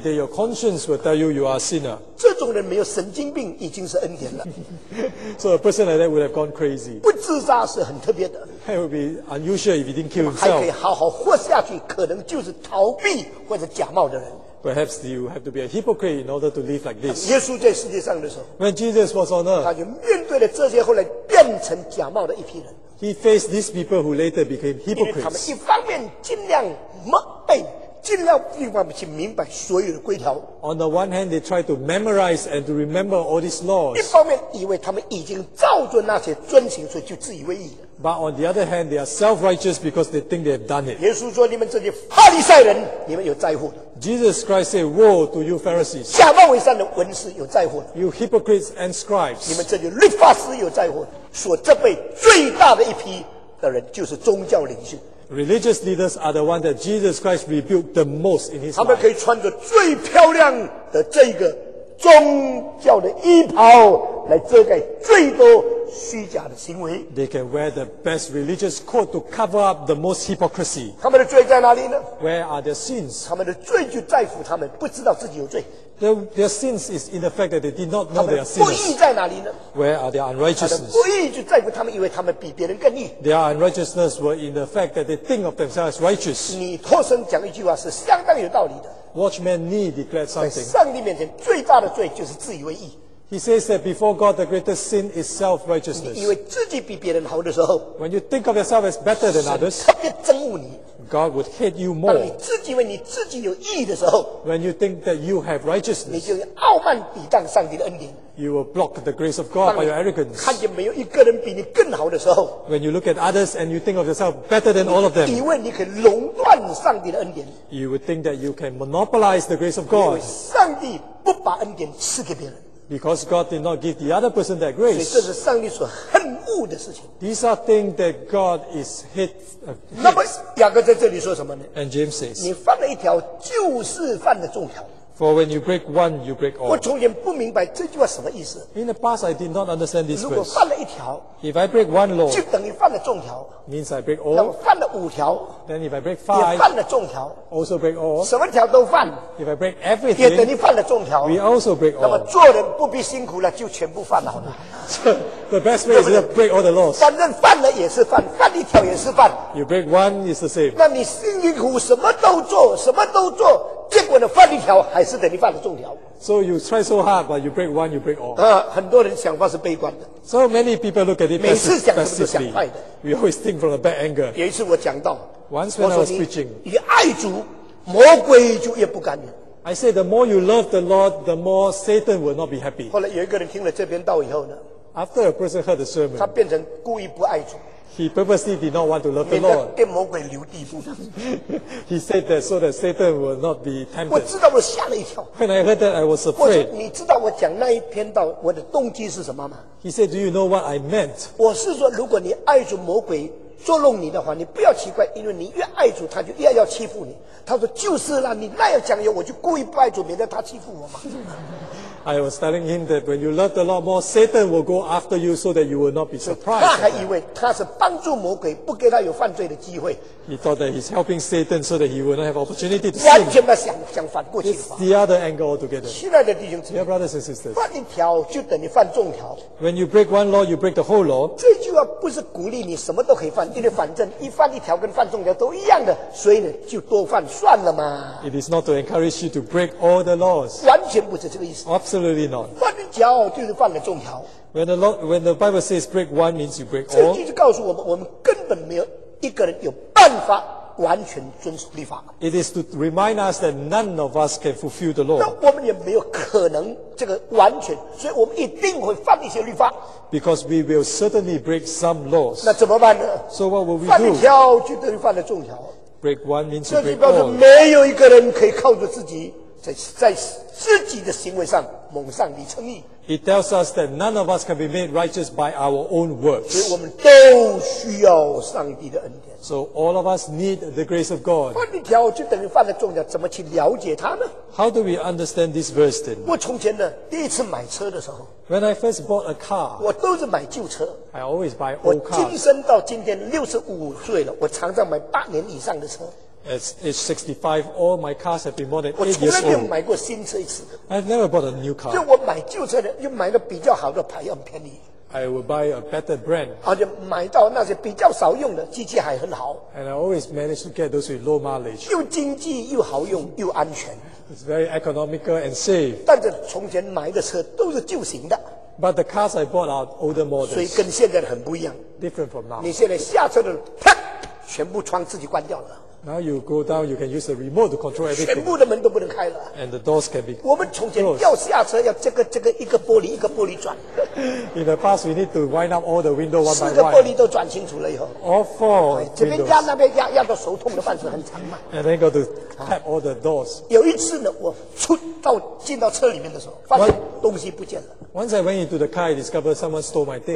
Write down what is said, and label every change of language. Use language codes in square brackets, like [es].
[en] day your conscience will tell you you are a sinner. [zh] 这种人没有神经病已经是恩典了。 [en] So a person like that would have gone crazy. [zh] 不自杀是很特别的。 [en] It would be unusual if he didn't kill himself. [zh] 还可以好好活下去，可能就是逃避或者假冒的人。 [en] Perhaps you have to be a hypocrite in order to live like this. [zh] 耶稣在世界上的时候, [en] When Jesus was on earth, [zh] 他就面对了这些后来变成假冒的一批人。 [en] He faced these people who later became hypocrites. [zh] 因为他们一方面尽量默背，尽量不去明白所有的规条。 [en] On the one hand, they tried to memorize and to remember all these laws. [zh] 一方面以为他们已经照着那些遵行，所以就自以为意了。 [en] But on the other hand, they are self-righteous because they think they have done it. [zh] 耶稣说,你们这些法利赛人,你们有灾祸的。 [en] Jesus Christ said, Woe to you Pharisees. [zh] 假冒伪善的文士有灾祸的。 [en] You hypocrites and scribes. [zh] 你们这些律法师有灾祸的。所这辈最大的一批的人就是宗教领袖。 [en] Religious leaders are the ones that Jesus Christ rebuked the most in his life. [zh] 他们可以穿着最漂亮的这个宗教的衣袍, 来遮盖最多虚假的行为。 [en] They can wear the best religious coat to cover up the most hypocrisy. [zh] 他们的罪在哪里呢? [en] Where are their sins? [zh] 他们的罪就在乎他们不知道自己有罪。 [en] Their sins is in the fact that they did not know their sins. [zh] 他们的不义在哪里呢? [en] Where are their unrighteousness? [zh] 他们的不义就在乎他们以为他们比别人更义。 [en] Their unrighteousness were in the fact that they think of themselves as righteous. [zh] 你托生讲一句话是相当有道理的。 [en] Watchman Nee declared something. [zh] 在上帝面前最大的罪就是自以为义。 [en] He says that before God, the greatest sin is self-righteousness. [zh] 你以为自己比别人好的时候， [en] when you think of yourself as better than others, [zh] 特别憎恶你。 [en] God would hate you more. [zh] 当你自己以为你自己有义的时候， [en] when you think that you have righteousness, [zh] 你就会傲慢抵挡上帝的恩典。 [en] You will block the grace of God by your arrogance. [zh] 看见没有一个人比你更好的时候， [en] when you look at others and you think of yourself better than all of them, [zh] 以为你可以垄断上帝的恩典。 [en] You would think that you can monopolize the grace of God. [zh] 因为上帝不把恩典赐给别人。 [en] Because God did not give the other person that grace. [zh] 所以这是上帝所恨恶的事情。 [en] These are things that God is hate. [zh] 那么雅各在这里说什么呢？ [en] And James says, [zh] 你犯了一条就是犯了众条。 [en] For when you break one, you break all. [zh] 我从前不明白这句话什么意思。 [en] In the past, I did not understand this verse. [zh] 如果犯了一条， [en] if I break one law, [zh] 就等于犯了众条。 [en] Means I break all. [zh] 那么犯了五条， [en] then if I break five, [zh] 也犯了众条。 [en] Also break all. [zh] 什么条都犯， [en] if I break everything, [zh] 也等于犯了众条。 [en] We also break all. [zh] 那么做人不必辛苦了，就全部犯好了。 [en] So the best way is to break all the laws. [zh] 反正犯了也是犯，犯一条也是犯。 [en] You break one, it's the same. [zh] 那你辛辛苦什么都做，什么都做。结果呢，犯一条还是等于犯了众条。 [en] So you try so hard, but you break one, you break all. [zh] 很多人想法是悲观的。 [en] So many people look at it pessimistically. [zh] 每次讲什么都想坏的。 [en] We always think from a bad angle. [zh] 有一次我讲到， [en] once when I was preaching, [zh] 你越爱主，魔鬼就越不甘愿。 [en] I say the more you love the Lord, the more Satan will not be happy. [zh] 后来有一个人听了这篇道以后呢， [en] after a person heard the sermon, [zh] 他变成故意不爱主。 [en] He purposely did not want to love the Lord. [zh] 给魔鬼留地步。 [en] He said that so that Satan will not be tempted. [zh] 我知道我吓了一跳。 [en] When I heard that, I was afraid. [zh] 你知道我讲那一篇道，我的动机是什么吗？ [en] He said, "Do you know what I meant?" [zh] 我是说，如果你爱主，魔鬼捉弄你的话，你不要奇怪，因为你越爱主，他就越要欺负你。他说就是啦，你那样讲，我就故意不爱主，免得他欺负我嘛。 [en] I was telling him that when you love the Lord more, Satan will go after you so that you will not be surprised. [zh] 他还以为他是帮助魔鬼，不给他有犯罪的机会。 [en] He thought that he's helping Satan so that he will not have opportunity to sin. [zh] 完全没想，想反过去。 [en] It's the other angle altogether. [zh] 亲爱的弟兄姊妹， [en] dear brothers and sisters, [zh] 犯一条就等于犯众条。 [en] When you break one law, you break the whole law. [zh] 这句话不是鼓励你什么都可以犯，因为反正一犯一条跟犯众条都一样的，所以呢就多犯算了嘛。 [en] It is not to encourage you to break all the laws. [zh] 完全不是这个意思。 [en] Absolutely not. [zh] 犯了条就是犯了众条。 [en] When the Bible says break one means you break all. [zh] 这就告诉我们，我们根本没有一个人有办法完全遵守律法。 [en] It is to remind us that none of us can fulfill the law. [zh] 那我们也没有可能这个完全，所以我们一定会犯一些律法。 [en] Because we will certainly break some laws. [zh] 那怎么办呢？ [en] So what will we do? [zh] 犯条就等于犯了众条。 [en] Break one means you break all. [zh] 这就表示没有一个人可以靠着自己。在自己的行为上蒙上帝称义。 [en] It tells us that none of us can be made righteous by our own works. [zh] 所以我们都需要上帝的恩典。 [en] So all of us need the grace of God. [zh] 犯一条就等于犯了重要，怎么去了解它呢？ [en] How do we understand this verse then? [zh] 我从前呢，第一次买车的时候， [en] When I first bought a car, [zh] 我都是买旧车。 [en] I always buy old cars. [zh] 我今生到今天65岁了，我常常买八年以上的车。 [en] At age 65, all my cars have been more than 8 years old. [zh] 我从来没有买过新车一次。 [en] I've never bought a new car. [zh] 就我买旧车的，又买了比较好的牌，又很便宜。 [en] I will buy a better brand. [zh] 而且买到那些比较少用的，机器还很好。 [en] And I always manage to get those with low mileage. [zh] 又经济又好用又安全。 [en] It's very economical and safe. [zh] 但是从前买的车都是旧型的。 [en] But the cars I bought are older models. [zh] 所以跟现在的很不一样。 [en] Different from now. [zh] 你现在下车的，啪，全部窗自己关掉了。 [en] Now you go down, you can use the remote to control everything. [zh] 全部的门都不能开了。 [en] And the doors can be closed. [zh] 我们从前要下车要这个一个玻璃一个玻璃转。 [en] In the past, we need to wind up all the window one by one. [zh] 四个玻璃都转清楚了以后。 [en] All four windows. [zh] 这边压那边压，压到手痛的范围很长嘛。 [en] And then go to tap all the doors. [zh] 有一次呢，我进到车里面的时候，发现东西不见了。 [en] Once I went into the car, I discovered someone stole my things.